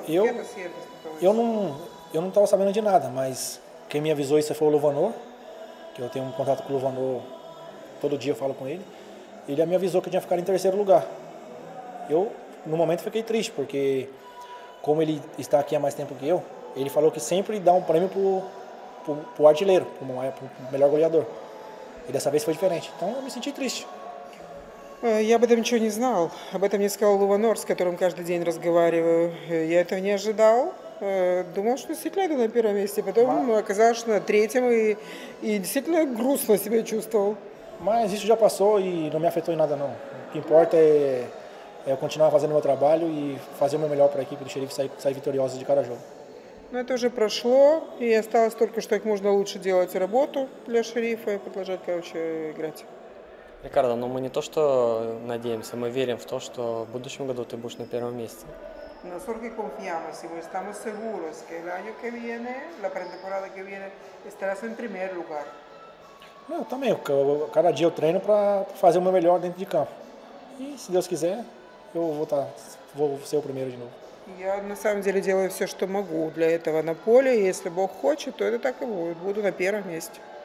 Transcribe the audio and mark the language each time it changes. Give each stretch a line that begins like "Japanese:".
Spanish: ¿Qué te sientes de todo eso? Yo no estaba sabiendo de nada, mas quien me avisó eso fue Luvanor, que yo tengo un contacto con Luvanor, todo día falo con él. Él me avisó que tenía que ficar en tercer lugar. Yo, no momento, fiquei triste, porque como él está aquí há más tiempo que yo, él falo que siempre da un premio pro artilheiro, como mejor goleador.
Portuguese: И dessa vez foi diferente. Então, eu me senti triste.
Russian: Я об этом ничего не знал. Об этом мне сказал Луванор, с которым каждый день разговариваю. Я этого не ожидал. Думал, что действительно это на первом месте. Потом оказалось, что на третьем. И действительно грустно себя чувствовал.
Portuguese: Mas isso já passou e não me afetou em nada, não. O que importa é continuar fazendo meu trabalho e fazer o meu melhor para a equipe do Xerife sair vitoriosa de cada jogo.
Russian: Но это уже прошло, и осталось только, что как можно лучше делать работу для Шерифа и продолжать, короче, играть. Рикардо, ну мы не то что надеемся, мы верим в то, что в будущем году ты будешь на первом месте. Насколько мы
Spanish: confiamos,
Russian: мы
Spanish: estamos seguros, que el año que viene, la pretemporada que viene, estarás en primer lugar.
Russian: Ну, я
Spanish: también, cada día yo
Portuguese: treino para fazer o meu melhor dentro de campo. И, si Deus quiser, eu vou ser o primeiro de novo.
Russian: Я на самом деле делаю все, что могу для этого на поле. Если Бог хочет, то это так и будет. Буду на первом месте.